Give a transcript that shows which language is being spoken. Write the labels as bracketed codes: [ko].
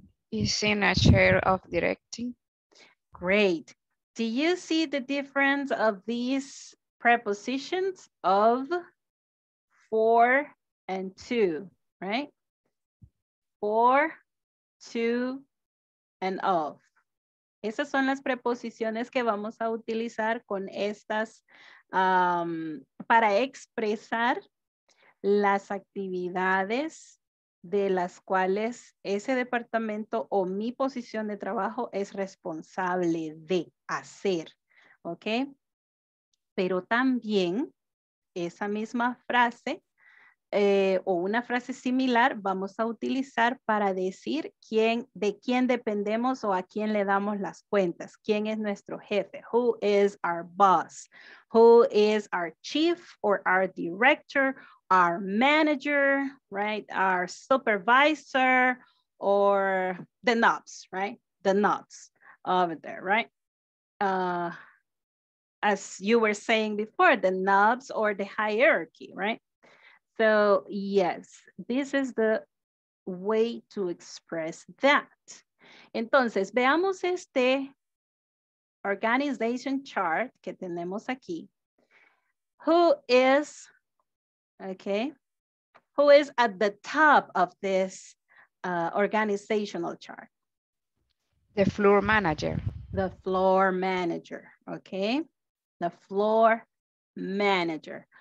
[en] Is in a chair of directing. Great. Do you see the difference of these prepositions of, for, and to, right? For, to, and of. [es] Esas son las preposiciones que vamos a utilizar con estas para expresar las actividades de las cuales ese departamento o mi posición de trabajo es responsable de hacer, ¿ok? Pero también esa misma frase o una frase similar vamos a utilizar para decir quién, de quién dependemos o a quién le damos las cuentas. ¿Quién es nuestro jefe? [en] Who is our boss? Who is our chief or our director, our manager, right? Our supervisor or the nuts, right? The nuts over there, right? As you were saying before, the nuts or the hierarchy, right? So yes, this is the way to express that. [es] Entonces, veamos este organization chart que tenemos aquí. [en] Who is, okay, who is at the top of this organizational chart? The floor manager. The floor manager, okay? The floor manager.